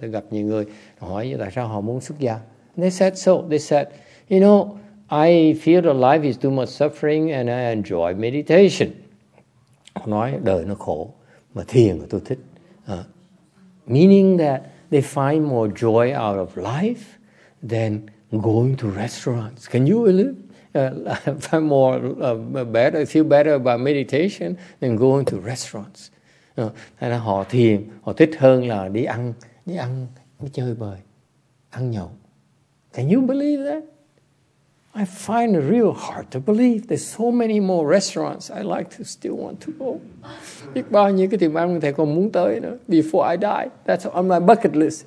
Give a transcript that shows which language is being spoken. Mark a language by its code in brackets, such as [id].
[vi] They gặp nhiều người hỏi như tại sao họ muốn xuất gia. [en] They said so. They said, you know, I feel that life is too much suffering and I enjoy meditation. [vi] Nói đời nó khổ mà thiền tôi thích. [en] Meaning that they find more joy out of life than going to restaurants. Can you feel better about meditation than going to restaurants? [vi] Thế là họ thiền, họ thích hơn là đi ăn, đi chơi bời, ăn nhậu. [en] Can you believe that? I find it real hard to believe. There's so many more restaurants I like to still want to go. [vi] Biết bao nhiêu cái tiệm ăn thầy còn muốn tới nữa. [en] Before I die, that's on my bucket list.